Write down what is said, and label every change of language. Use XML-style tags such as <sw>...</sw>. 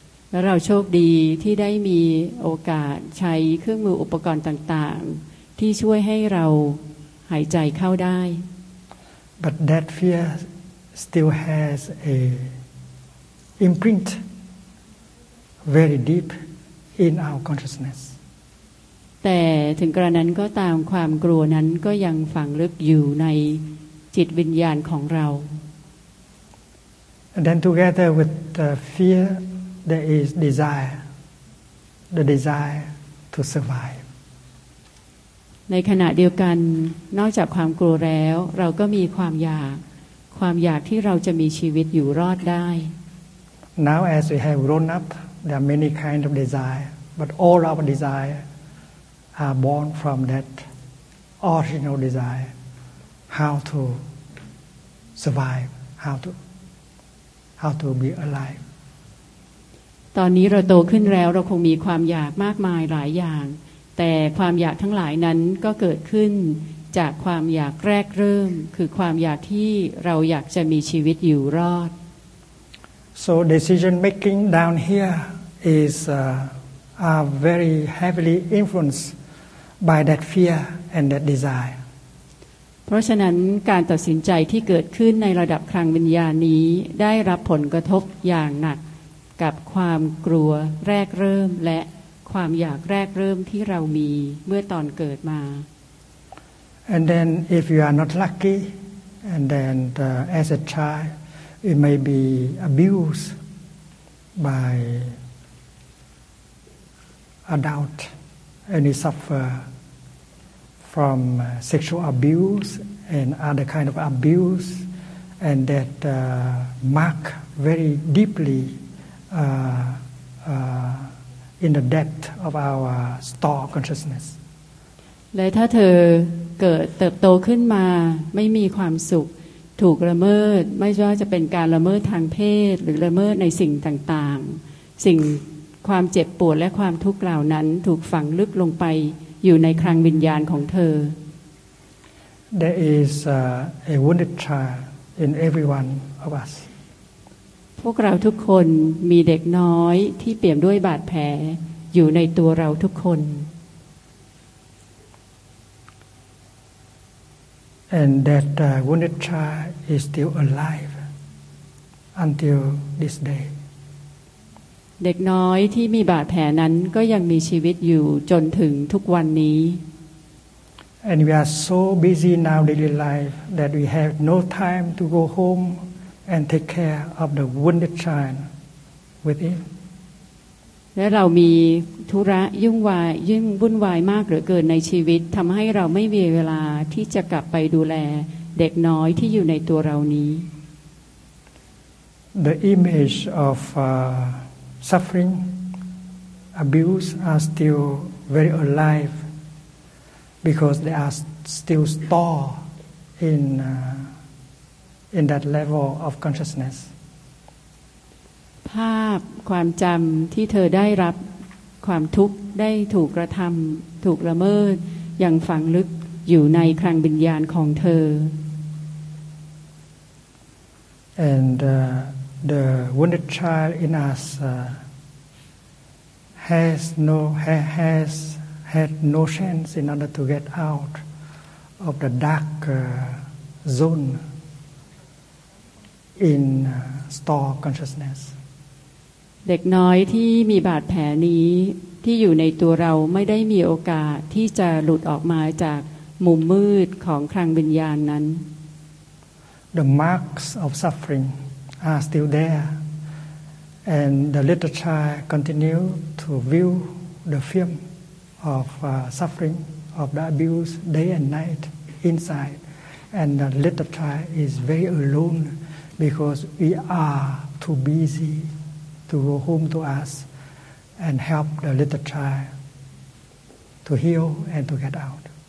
<th>และเราโชคดีที่ได้มีโอกาสใช้เครื่องมืออุปกรณ์ต่างๆที่ช่วยให้เราหายใจเข้าได้</th> <en>but that fear still has a imprint very deep in our consciousness</en> <th>แต่ถึงกระนั้นก็ตามความกลัวนั้นก็ยังฝังลึกอยู่ในจิตวิญญาณของเรา</th> <en>and then together with the fear there is desire the desire to survive</en> <th>ในขณะเดียวกันนอกจากความกลัวแล้วเราก็มีความอยากความอยากที่เราจะมีชีวิตอยู่รอดได้</th> <en>Now as we have grown up there are many kinds of desire but all our desire are born from that original desire how to survive how to be alive</en> <th>ตอนนี้เราโตขึ้นแล้วเราคงมีความอยากมากมายหลายอย่างแต่ความอยากทั้งหลายนั้นก็เกิดขึ้นจากความอยากแรกเริ่มคือความอยากที่เราอยากจะมีชีวิตอยู่รอด</th> <en>So decision making down here is are very heavily influenced by that fear and that desire</en> <th>เพราะฉะนั้นการตัดสินใจที่เกิดขึ้นในระดับคลังวิญญาณนี้ได้รับผลกระทบอย่างหนักกับความกลัวแรกเริ่มและความอยากแรกเริ่มที่เรามีเมื่อตอนเกิดมา</th> <en>And then if you are not lucky and then as a child it may be abused by adult and you suffer from sexual abuse and other kind of abuse and that mark very deeplyin the depth of our store consciousness</en> <th>และถ้าเธอเกิดเติบโตขึ้นมาไม่มีความสุขถูกละเมิดไม่ว่าจะเป็นการละเมิดทางเพศหรือละเมิดในสิ่งต่างๆสิ่งความเจ็บปวดและความทุกข์เหล่านั้นถูกฝังลึกลงไปอยู่ในคลังวิญญาณของเธอ</th> <en>There is a wounded child in every one of us</en> <th>พวกเราทุกคนมีเด็กน้อยที่เปี่ยมด้วยบาดแผลอยู่ในตัวเราทุกคน</th> <en>And that wounded child is still alive until this day</en> <th>เด็กน้อยที่มีบาดแผลนั้นก็ยังมีชีวิตอยู่จนถึงทุกวันนี้</th> <en>And we are so busy now daily life that we have no time to go homeand take care of the wounded child within</en> <th>และเรามีธุระยุ่งวายยุ่งวุ่นวายมากเหลือเกินในชีวิตทำให้เราไม่มีเวลาที่จะกลับไปดูแลเด็กน้อยที่อยู่ในตัวเรานี้</th> <en>The image of suffering abuse are still very alive because they are still stored in that level of consciousness</en> <th>ภาพความจำที่เธอได้รับความทุกข์ได้ถูกกระทำถูกละเมิดอย่างฝังลึกอยู่ในคลังวิญญาณของเธอ</th> <en>and the wounded child in us has had no chance in order to get out of the dark zoneIn store consciousness.</en> <th>เด็กน้อยที่มีบาดแผลนี้ที่อยู่ในตัวเราไม่ได้มีโอกาสที่จะหลุดออกมาจากมุมมืดของคลังวิญญาณนั้น</th> <en>The marks of suffering are still there, And the little child continued to view the film of suffering, of the abuse, day and night inside. And the little child is very alone because we are too busy to go home to us and help the little child to heal and to get out.</en>